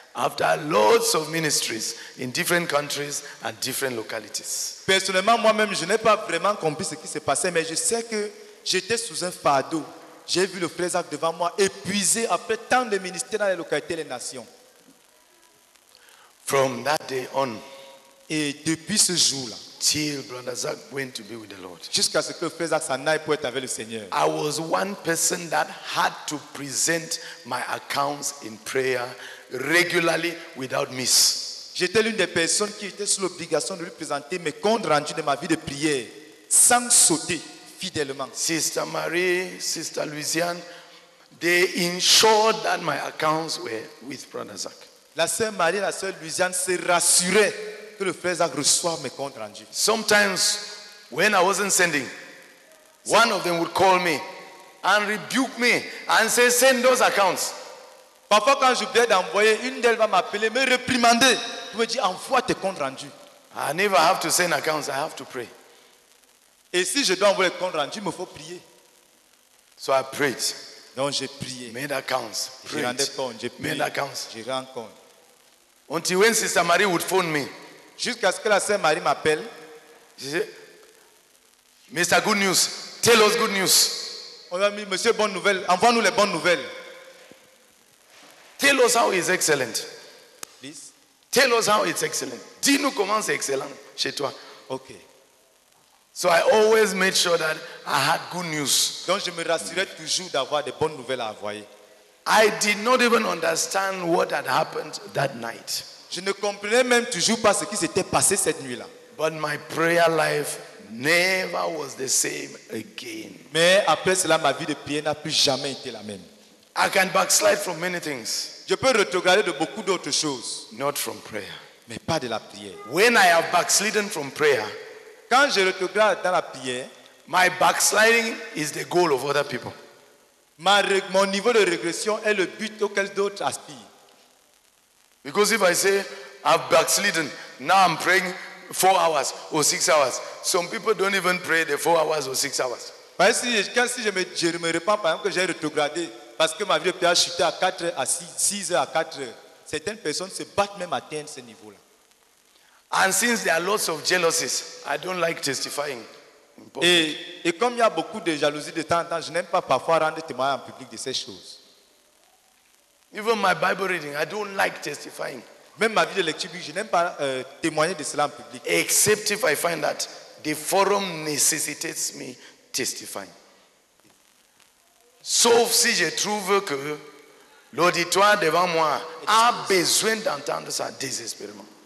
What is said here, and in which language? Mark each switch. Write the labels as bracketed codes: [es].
[en] After lots of ministries in different countries and different localities. [fr] Personnellement, moi-même, je n'ai pas vraiment compris ce qui s'est passé, mais je sais que J'étais sous un fardeau. J'ai vu le frère Zach devant moi, épuisé après tant de ministères dans les localités, les nations. [en] From that day on, [fr] et depuis ce jour-là, [en] till Brother Zach went to be with the Lord, [fr] jusqu'à ce que le frère Zach s'en aille pour être avec le Seigneur, [en] I was one person that had to present my accounts in prayer regularly without miss. [fr] J'étais l'une des personnes qui était sous l'obligation de lui présenter mes comptes rendus de ma vie de prière sans sauter. Fidèlement. [en] Sister Marie, Sister Louisiane, they ensured that my accounts were with Brother Zach. [fr] La sœur Marie et la sœur Louisiane se rassuraient que le frère Zach reçoive mes comptes rendus. [en] Sometimes, when I wasn't sending, one of them would call me and rebuke me and say, send those accounts. [fr] Parfois, quand j'oubliais d'envoyer, une d'elles va m'appeler, me réprimander pour me dire, envoie tes comptes rendus. [en] I never have to send accounts, I have to pray. [fr] Et si je dois envoyer les comptes rendus, il me faut prier. [en] So I prayed. [fr] Donc j'ai prié. [en] Made accounts. [fr] Je rendais compte. J'ai prié. [en] Made accounts. [fr] Je rends compte. [en] Until when Sister Marie would phone me. [fr] Jusqu'à ce que la Sœur Marie m'appelle. [en] She said, Mr. Good News, tell us good news. [fr] On a dit, Monsieur Bonne Nouvelle, envoie-nous les bonnes nouvelles. [en] Tell us how it's excellent. Please. Tell us how it's excellent. [fr] Dis-nous comment c'est excellent chez toi. [en] Ok. So I always made sure that I had good news. [fr] Donc je me rassurais toujours d'avoir des bonnes nouvelles à envoyer. [en] I did not even understand what had happened that night. [fr] Je ne comprenais même toujours pas ce qui s'était passé cette nuit-là. [en] But my prayer life never was the same again. [fr] Mais après cela, ma vie de prière n'a plus jamais été la même. [en] I can backslide from many things. [fr] Je peux retrograder de beaucoup d'autres choses. [en] Not from prayer. [fr] Mais pas de la prière. [en] When I have backslidden from prayer, [fr] quand je retourne dans la prière, [en] my backsliding is the goal of other people. [fr] Mon niveau de régression est le but auquel d'autres aspirent. [en] Because if I say I've backslidden, now I'm praying 4 hours or 6 hours. Some people don't even pray the 4 hours or 6 hours. [fr] Parce que si je me répands par exemple que j'ai retrogradé parce que ma vie de prière a chuté à 4 à 6 heures à 4 heures, certaines personnes se battent même à atteindre ce niveau-là. [en] And since there are lots of jealousies, I don't like testifying. [fr] Et comme il y a beaucoup de jalousie de temps en temps, je n'aime pas parfois rendre témoignage en public de ces choses. [en] Even my Bible reading, I don't like testifying. [fr] Même ma vie de lecture, je n'aime pas témoigner de cela en public. [en] Except if I find that the forum necessitates me testifying. [fr] Sauf si je trouve que l'auditoire devant moi a besoin d'entendre ça désespérément.